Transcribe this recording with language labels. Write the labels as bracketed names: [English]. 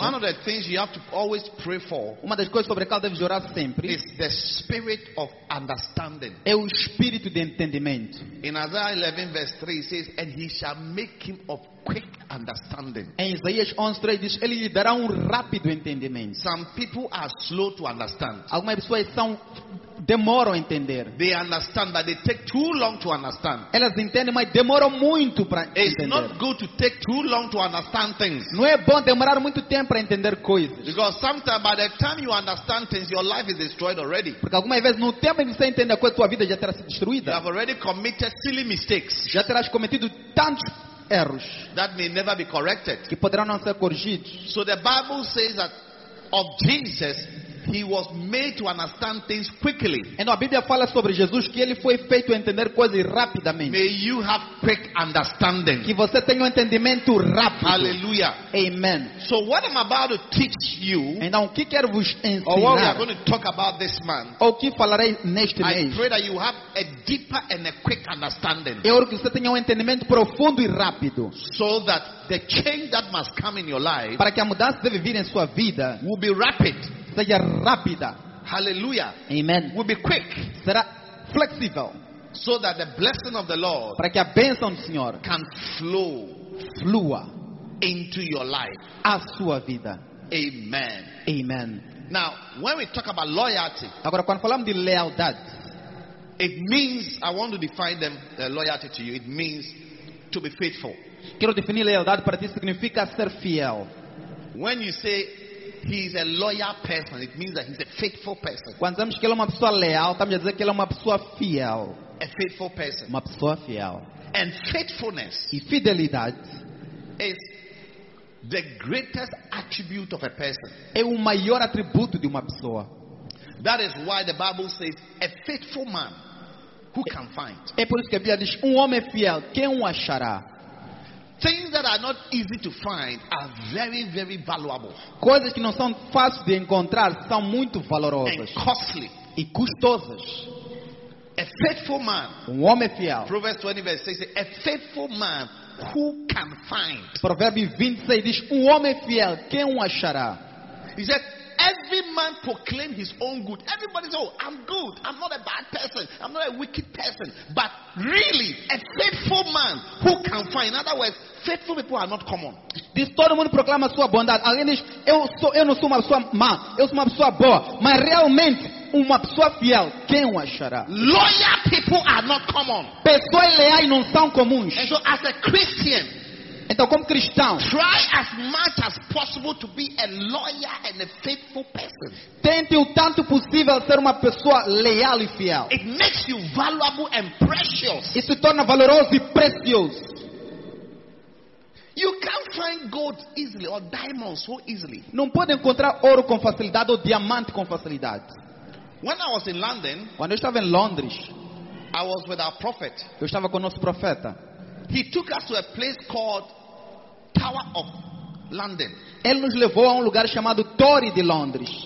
[English] one of the things you have to always pray for, [Portuguese] uma das coisas sobre a qual deves orar sempre, [English] is the spirit of understanding. [Portuguese] É o espírito de entendimento. [English] In Isaiah 11 verse 3 it says, and he shall make him of quick understanding. [Portuguese] Em Isaías 11:3 diz, ele lhe dará rápido entendimento. [English] Some people are slow to understand. [Portuguese] Algumas pessoas demoram a entender. [English] They understand, but they take too long to understand. [Portuguese] Elas entendem, mas demoram muito para entender. [English] It's not good to take too long to understand things. [Portuguese] Não é bom demorar muito tempo para entender coisas. [English] Because sometimes by the time you understand things, your life is destroyed already. [Portuguese] Porque algumas vezes no tempo em que você entende a coisa, tua vida já terá sido destruída. [English] You have already committed silly mistakes. [Portuguese] Já terás cometido tantos erros [English] that may never be corrected. [Portuguese] Que poderão não ser corrigidos. [English] So the Bible says that of Jesus, he was made to understand things quickly. [Portuguese] Então a Bíblia fala sobre Jesus que ele foi feito entender coisas rapidamente. [English] May you have quick understanding. [Portuguese] Que você tenha entendimento rápido. [English] Hallelujah. [Portuguese] Amen. [English] So what I'm about to teach you, [Portuguese] então, que quero vos ensinar, [English] or what we are going to talk about this month, [Portuguese] ou que falarei neste mês, [English] I pray that you have a deeper and a quick understanding. [Portuguese] Eu oro que você tenha entendimento profundo e rápido. [English] So that the change that must come in your life, [Portuguese] para que a mudança deve vir em sua vida, [English] will be rapid. [Portuguese] Seja rápida. [English] Hallelujah. [Portuguese] Amen. [English] Will be quick. [Portuguese] Será flexível. [English] So that the blessing of the Lord, [Portuguese] para que a bênção do Senhor, [English] can flow, [Portuguese] flua [English] into your life, [Portuguese] a sua vida. [English] Amen. [Portuguese] Amen. [English] Now, when we talk about loyalty, [Portuguese] agora quando falamos de lealdade, [English] it means, I want to define them, loyalty to you, it means to be faithful. [Portuguese] Quero definir lealdade para ti significa ser fiel. [English] When you say he is a loyal person, it means that he's a faithful person. [Portuguese] Quando dizemos que ele é uma pessoa leal, estamos a dizer que ele é uma pessoa fiel. [English] A faithful person. [Portuguese] Uma pessoa fiel. [English] And faithfulness. [Portuguese] E fidelidade [English] is the greatest attribute of a person. [Portuguese] É o maior atributo de uma pessoa. [English] That is why the Bible says a faithful man who can find. [Portuguese] É por isso que a Bíblia diz homem fiel, quem o achará? [English] Things that are not easy to find are very, very valuable. [Portuguese] Coisas que não são fáceis de encontrar são muito valorosas. [English] And costly. [Portuguese] E custosas. [English] A faithful man. [Portuguese] Homem fiel. [English] Proverbs 20 verse 6 says, a faithful man who can find. [Portuguese] Provérbios 26 diz, homem fiel, quem o achará? [English] He said, every man proclaims his own good. Everybody says, oh, I'm good. I'm not a bad person. I'm not a wicked person. But really, a faithful man who can find. In other words, faithful people are not common. [Portuguese] Diz, todo mundo proclama sua bondade. Alguém diz, eu não sou uma pessoa má. Eu sou uma pessoa boa. Mas realmente, uma pessoa fiel, quem o achará? [English] Loyal people are not common. [Portuguese] Pessoas leais não são comuns. [English] And so, as a Christian, [Portuguese] então, como cristão, [English] try as much as possible to be a loyal and a faithful person. [Portuguese] Tente o tanto possível ser uma pessoa leal e fiel. [English] It makes you valuable and precious. [Portuguese] Isso te torna valoroso e precioso. [English] You can't find gold easily or diamonds so easily. [Portuguese] Não pode encontrar ouro com facilidade ou diamante com facilidade. [English] When I was in London, [Portuguese] quando eu estava em Londres, [English] I was with our prophet. [Portuguese] Eu estava com o nosso profeta. [English] He took us to a place called Tower of London. [Portuguese] Ele nos levou a lugar chamado Torre de Londres.